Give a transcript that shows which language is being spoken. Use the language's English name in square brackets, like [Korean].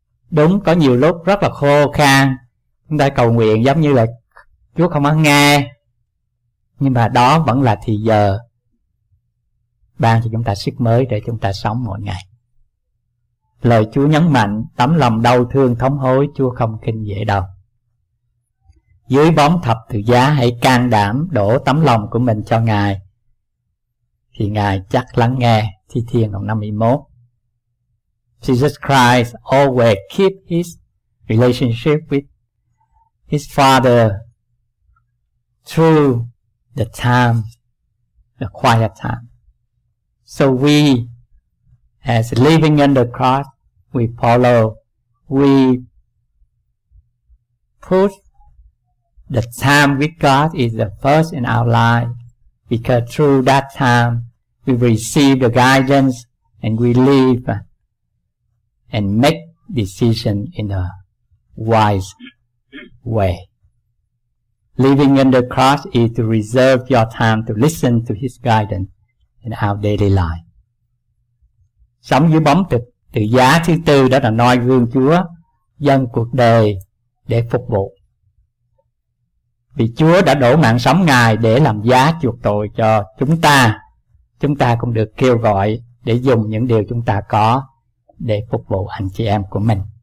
[Vietnamese] Đúng, có nhiều lúc rất là khô khan, chúng ta cầu nguyện giống như là Chúa không có nghe, nhưng mà đó vẫn là thì giờ ban cho chúng ta sức mới để chúng ta sống mỗi ngày. Lời Chúa nhấn mạnh tấm lòng đau thương thống hối Chúa không khinh dễ đâu. Dưới bóng thập tự giá hãy can đảm đổ tấm lòng của mình cho Ngài thì Ngài chắc lắng nghe. Thi Thiên đoạn 51. [English] Jesus Christ always keep His relationship with His Father through the time, the quiet time. So we, as living on the cross, we follow, we put the time with God is the first in our life, because through that time, we receive the guidance and we live and make decisions in a wise way. Living on the cross is to reserve your time to listen to His guidance in our daily life. [Vietnamese] Sống dưới bóng tự giá thứ tư đó là noi gương Chúa, dâng cuộc đời để phục vụ. Vì Chúa đã đổ mạng sống Ngài để làm giá chuộc tội cho chúng ta cũng được kêu gọi để dùng những điều chúng ta có để phục vụ anh chị em của mình.